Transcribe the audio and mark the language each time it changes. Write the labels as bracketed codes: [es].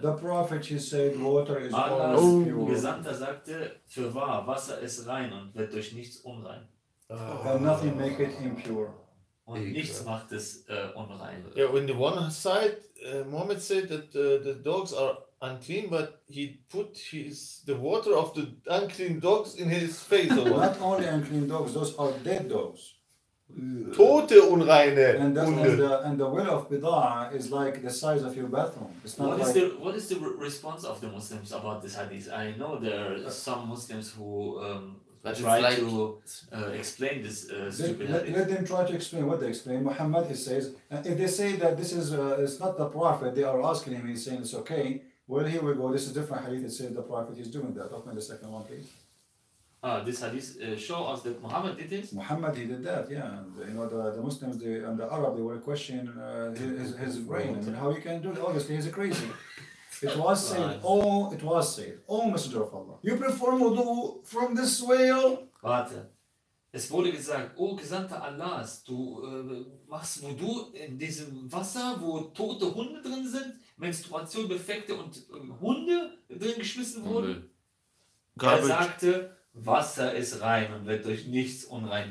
[en] The prophet, he said, water is always pure. [de] Gesandter sagte, für wahr, Wasser ist rein und wird durch nichts unrein. [en] And nothing make it impure. [de] Und nichts macht es unrein. [en] Yeah, on the one side, Mohammed said that the dogs are unclean, but he put the water of the unclean dogs in his face. Not only unclean dogs, those are dead dogs. [de] Tote unreine and Hunde. [en] And the will of bidah is like the size of your bathroom. It's not what like is the response of the Muslims about this hadith? I know there are some Muslims who try like to explain this stupid hadith. Let them try to explain what they explain. Muhammad, he says, if they say that this is it's not the Prophet, they are asking him. He's saying it's okay. Well, here we go. This is different hadith. It says the Prophet is doing that. Open the second one, please. This hadith show us that Muhammad did this. Muhammad, he did that, yeah. And, you know, the Muslims they, and the Arab, they were questioning his brain. I mean, how he can do it? Obviously, he's crazy. It was said, Messenger of Allah, you perform wudu from this well. [de] Warte. Es wurde gesagt, O Gesandter Allahs, du machst wudu in diesem Wasser, wo tote Hunde drin sind, Menstruation, Befekte und Hunde drin geschmissen wurden. Okay. Er sagte, Wasser ist rein und wird durch nichts unrein.